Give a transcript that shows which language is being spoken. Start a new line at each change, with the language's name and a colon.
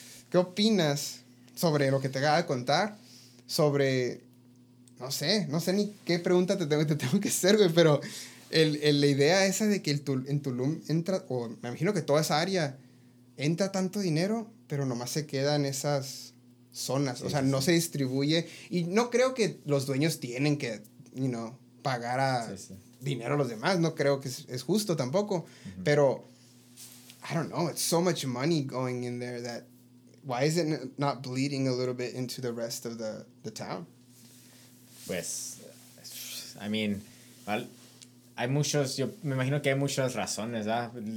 Spanish: ¿Qué opinas sobre lo que te acaba de contar? Sobre, no sé ni qué pregunta te tengo que hacer, güey, pero la idea esa de que en Tulum entra, o me imagino que toda esa área entra tanto dinero, pero nomás se queda en esas zonas, o sea, no se distribuye, y no creo que los dueños tienen que, pagar dinero a los demás, no creo que es justo tampoco, uh-huh.
English: Pero, I don't know, it's so much money going in there that, why is it not bleeding a little bit into the rest of the town?
Spanish: Pues,
English: I mean, well,
Spanish: hay muchos, yo me imagino que hay muchas razones, ¿verdad?